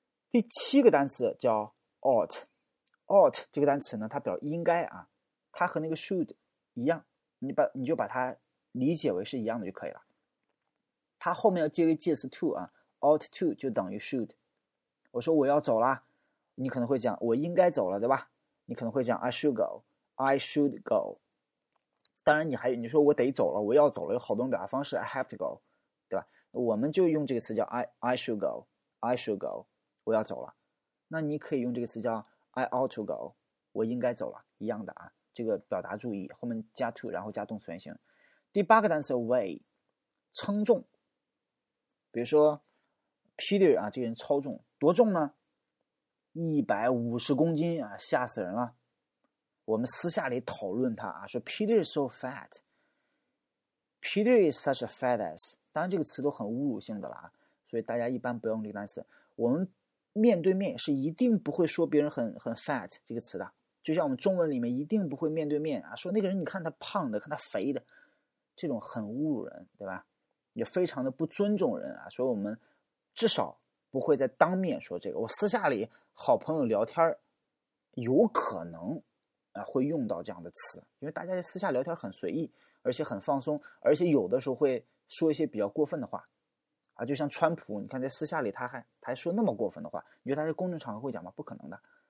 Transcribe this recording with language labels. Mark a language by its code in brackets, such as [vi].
[zh] 第七个单词叫 ought，ought 这个单词呢，它表应该啊，它和那个 should 一样，你就把它理解为是一样的就可以了。它后面要接个介词 to 啊 ， ought to 就等于 should。我说我要走了，你可能会讲我应该走了，对吧？ [en] 你可能会讲 I should go，I should go。 [zh] 当然，你说我得走了，我要走了，有好多种表达方式 ， I have to go，对吧？我们就用这个词叫 I should go，I should go，我要走了。那你可以用这个词叫 I ought to go，我应该走了，一样的啊。这个表达注意，后面加 to， 然后加动词原形。第八个单词 weigh， 称重。比如说 Peter 啊，这个人超重，多重呢？ 150公斤啊，吓死人了。 [en] 我们私下里讨论他啊，说 Peter is so fat， Peter is such a fat ass。 [zh] 当然这个词都很侮辱性的了啊，所以大家一般不用这个单词。我们面对面是一定不会说别人很 fat 这个词的，就像我们中文里面一定不会面对面啊说那个人你看他胖的，看他肥的，这种很侮辱人，对吧？也非常的不尊重人啊。所以我们至少不会在当面说这个，我私下里好朋友聊天有可能啊，会用到这样的词，因为大家在私下聊天很随意，而且很放松，而且有的时候会说一些比较过分的话，啊，就像川普，你看在私下里他还说那么过分的话，你觉得他在公众场合会讲吗？不可能的。